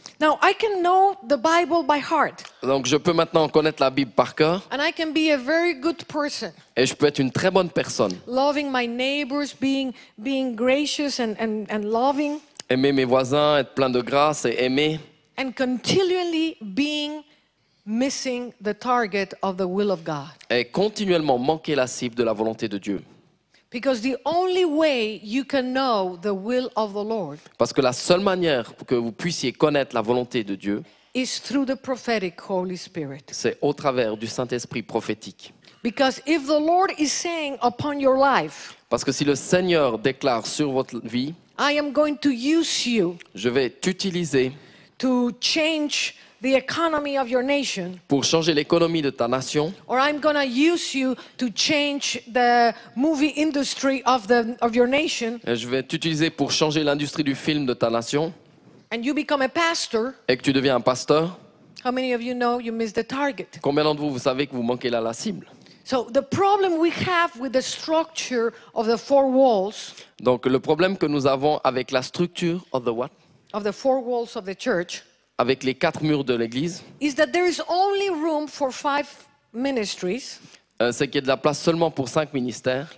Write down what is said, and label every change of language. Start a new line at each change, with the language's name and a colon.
English: Now, I can know the Bible by heart.
French: Donc je peux maintenant connaître la Bible par cœur.
English: And I can be a very good person.
French: Et je peux être une très bonne personne.
English: Loving my neighbors, being gracious and loving.
French: Aimer mes voisins, être plein de grâce et aimer.
English: And continually being missing the target of the will of God.
French: Et continuellement manquer la cible de la volonté de Dieu.
English: Because the only way you can know the will of the Lord.
French: Parce que la seule manière pour que vous puissiez connaître la volonté de Dieu.
English: Is through the prophetic Holy Spirit.
French: C'est au travers du Saint-Esprit prophétique.
English: Because if the Lord is saying upon your life.
French: Parce que si le Seigneur déclare sur votre vie.
English: I am going to use you.
French: Je vais t'utiliser.
English: To change the economy of your nation.
French: Pour changer l'économie de ta nation.
English: Or I'm going to use you to change the movie industry of your nation.
French: Et je vais t'utiliser pour changer l'industrie du film de ta nation.
English: And you become a pastor.
French: Et que tu deviens un pasteur.
English: How many of you know you missed the target?
French: Combien d'entre vous vous savez que vous manquez là la cible?
English: So the problem we have with the structure of the four walls.
French: Donc le problème que nous avons avec la structure
English: of the what? Of the four walls of the church.
French: Avec les quatre murs de l'église.
English: Is that there is only room for five ministries?
French: C'est qu'il y a de la place seulement pour cinq ministères.